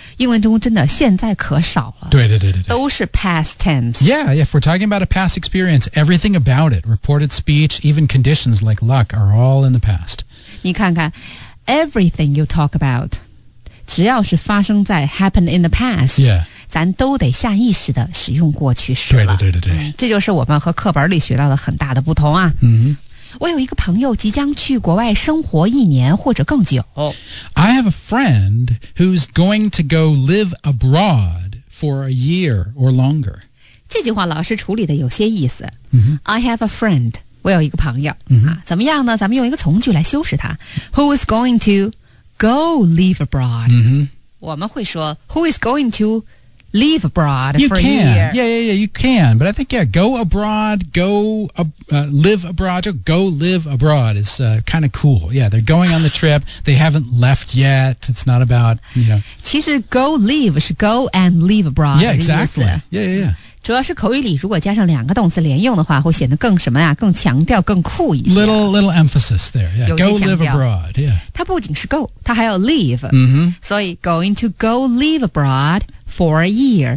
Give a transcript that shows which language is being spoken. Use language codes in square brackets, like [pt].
[zh] 英文中真的现在可少了。对对对对。都是 [en] past tense. Yeah, if we're talking about a past experience, everything about it, reported speech, even conditions like luck, are all in the past. [zh] 你看看 [en] everything you talk about. [zh] 只要是发生在 [en] happened in the past、 yeah. [zh] 咱都得下意识的使用过去式了对对对对、嗯、这就是我们和课本里学到的很大的不同啊、 [en] mm-hmm. [zh] 我有一个朋友即将去国外生活一年或者更久 [en] I have a friend who's going to go live abroad for a year or longer [zh] 这句话老师处理的有些意思、 [en] mm-hmm. I have a friend [zh] 我有一个朋友、 [en] mm-hmm. [zh] 啊、怎么样呢咱们用一个从句来修饰它 [en] Who's going toGo live abroad、 mm-hmm. [zh] 我们会说 [en] Who is going to live abroad you for can. a year? Yeah, yeah, yeah, you can But I think, yeah, go abroad Go live abroad Go live abroad is kind of cool Yeah, they're going on the trip They haven't left yet It's not about, you know [zh] 其实 [en] go live [zh] 是 [en] go and live abroad Yeah, exactly Yeah, yeah, yeah [zh] 主要是口语里如果加上两个动词连用的话会显得更什么呀更强调更酷一些 [en] little emphasis there、yeah. go live abroad、yeah. [zh] 它不仅是 go 它还有 live、 [en] mm-hmm. [zh] 所以 [en] going to go live abroad for a year、